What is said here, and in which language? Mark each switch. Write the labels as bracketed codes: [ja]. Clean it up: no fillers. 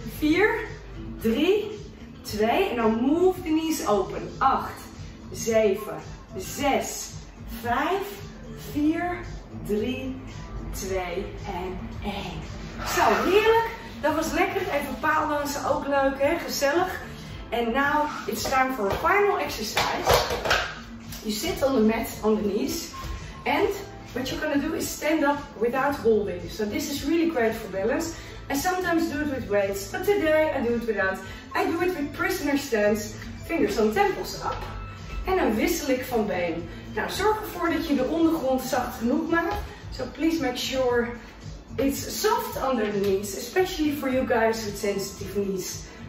[en] 4, 3, 2. En dan move the knees open. [nl] 8, 7, 6, 5, 4, 3, 2 en 1. Zo, heerlijk. Dat was lekker. Even paaldansen ook leuk, hè? Gezellig. [en] En now it's time for a final exercise. You sit on the mat on the knees. And what you're gonna do is stand up without holding. So this is really great for balance. I sometimes do it with weights, but today I do it without. I do it with prisoner stance, fingers on temples up. [nl] En dan wissel ik van been. Nou, zorg ervoor dat je de ondergrond zacht genoeg maakt. [en] So please make sure it's soft under the knees, especially for you guys with sensitive knees.